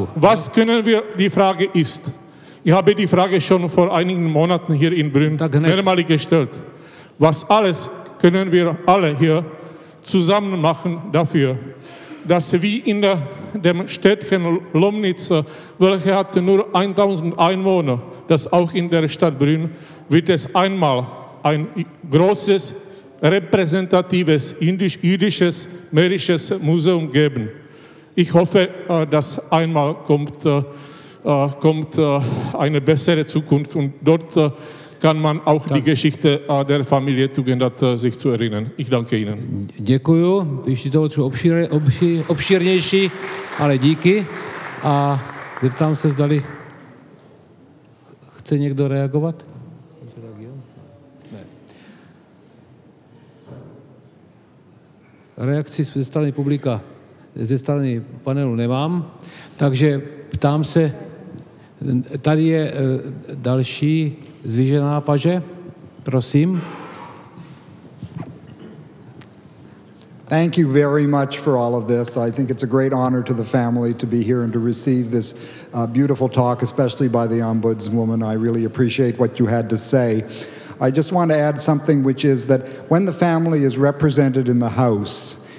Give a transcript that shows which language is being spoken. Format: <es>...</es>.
<de>Ja, was können wir, die Frage ist, ich habe die Frage schon vor einigen Monaten hier in Brünn mehrmals gestellt, was alles können wir alle hier zusammen machen dafür, dass wie in dem Städtchen Lomnitz, welche hat nur 1000 Einwohner, dass auch in der Stadt Brünn wird es einmal ein großes, repräsentatives, jüdisches, mährisches Museum geben. Ich hoffe, dass einmal kommt eine bessere Zukunft und dort kann man auch die Geschichte der Familie Tugendhat sich zu erinnern. Ich danke Ihnen.</de> <cs>Děkuju, ještě toho třeba obširnější, ale díky. A zeptám se, zdali chce někdo reagovat? Reakci ze strany publika, ze strany panelu nemám, takže ptám se, tady je další zvýšená paže, prosím.</cs> <en>Thank you very much for all of this. I think it's a great honor to the family to be here and to receive this beautiful talk, especially by the ombudswoman. I really appreciate what you had to say. I just want to add something, which is that when the family is represented in the house,</en>